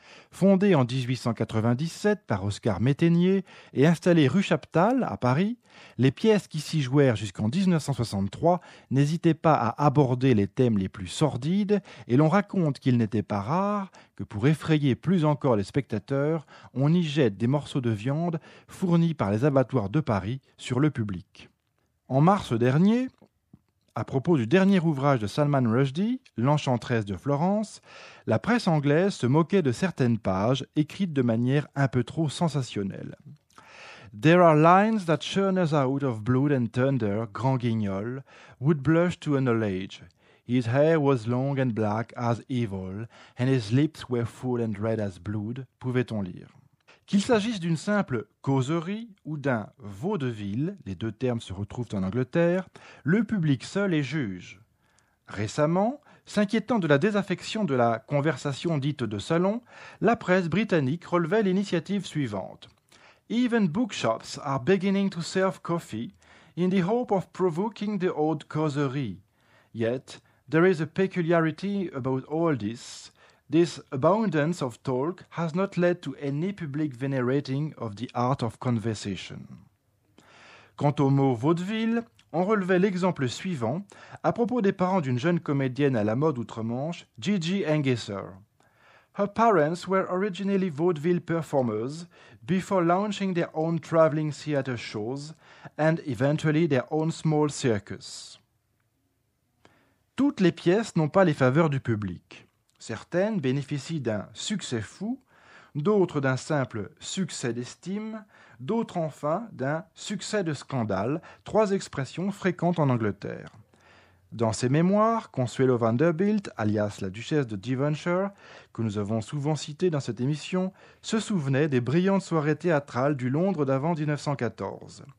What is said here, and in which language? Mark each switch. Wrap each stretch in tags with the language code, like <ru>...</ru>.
<fr>Fondé en 1897 par Oscar Métainier et installé rue Chaptal à Paris, les pièces qui s'y jouèrent jusqu'en 1963 n'hésitaient pas à aborder les thèmes les plus sordides et l'on raconte qu'il n'était pas rare que pour effrayer plus encore les spectateurs, on y jette des morceaux de viande fournis par les abattoirs de Paris sur le public. En mars dernier, à propos du dernier ouvrage de Salman Rushdie, L'Enchanteresse de Florence, la presse anglaise se moquait de certaines pages écrites de manière un peu trop sensationnelle.</fr> <en>« There are lines that churn us out of blood and thunder, Grand Guignol, would blush to an old age. His hair was long and black as evil, and his lips were full and red as blood »,</en> <fr>pouvait-on lire. Qu'il s'agisse d'une simple causerie ou d'un vaudeville, les deux termes se retrouvent en Angleterre, le public seul est juge. Récemment, s'inquiétant de la désaffection de la conversation dite de salon, la presse britannique relevait l'initiative suivante.</fr> <en>Even bookshops are beginning to serve coffee in the hope of provoking the old causerie. Yet, there is a peculiarity about all this. This abundance of talk has not led to any public venerating of the art of conversation.</en> <fr>Quant au mot vaudeville, on relevait l'exemple suivant à propos des parents d'une jeune comédienne à la mode outre-Manche, Gigi Engesser.</fr> <en>Her parents were originally vaudeville performers before launching their own traveling theater shows and eventually their own small circus.</en> <fr>Toutes les pièces n'ont pas les faveurs du public. Certaines bénéficient d'un succès fou, d'autres d'un simple succès d'estime, d'autres enfin d'un succès de scandale, trois expressions fréquentes en Angleterre. Dans ses mémoires, Consuelo Vanderbilt, alias la duchesse de Devonshire, que nous avons souvent citée dans cette émission, se souvenait des brillantes soirées théâtrales du Londres d'avant 1914.</fr>